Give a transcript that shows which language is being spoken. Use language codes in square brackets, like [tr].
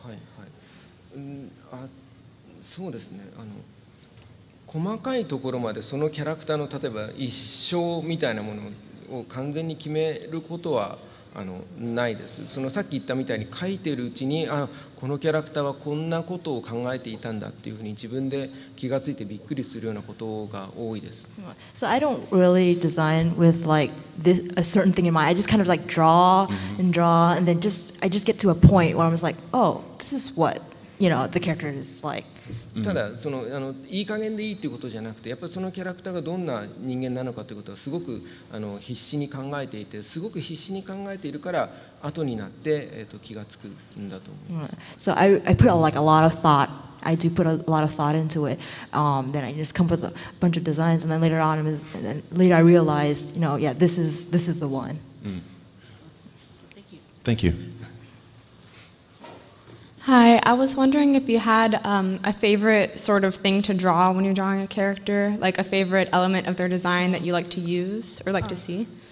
[ja] はいはい、そうですね、細かいところまでそのキャラクターの例えば一生みたいなものを完全に決めることはないです。そのさっき言ったみたいに書いてるうちに、あ、このキャラクターはこんなことを考えていたんだっていうふうに自分で気がついてびっくりするようなことが多いです。 [en] So I don't really design with like this, a certain thing in mind. I just kind of like draw and draw, and then just I just get to a point where I'm just like, oh, this is whatYou know, the character is like. [ja] ただそのいい加減でいいっていうことじゃなくて、やっぱりそのキャラクターがどんな人間なのかということはすごく必死に考えていて、すごく必死に考えているから後になって気がつくんだと思います。 [en] Mm. So I put like a lot of thought. I do put a lot of thought into it. Then I just come up with a bunch of designs, and then later on, I realized, you know, yeah, this is the one. Thank you. Hi, I was wondering if you had a favorite sort of thing to draw when you're drawing a character, like a favorite element of their design that you like to use or like to see.